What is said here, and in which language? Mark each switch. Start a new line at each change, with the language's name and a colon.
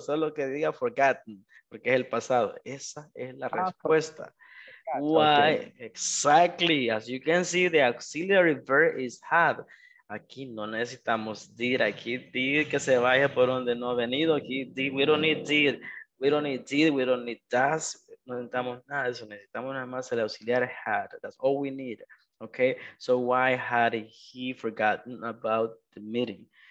Spanish: Solo que diga forgotten, porque es el pasado. Esa es la respuesta.
English: Why? Okay. Exactly, as you can see, the auxiliary verb is had.
Spanish: Aquí no necesitamos did, aquí did que se vaya por donde no ha venido.
English: Aquí did, we don't need did. We don't need did, we don't need does.
Spanish: No necesitamos nada de eso, necesitamos nada más el auxiliar had.
English: That's all we need, okay? So why had he forgotten about the meeting?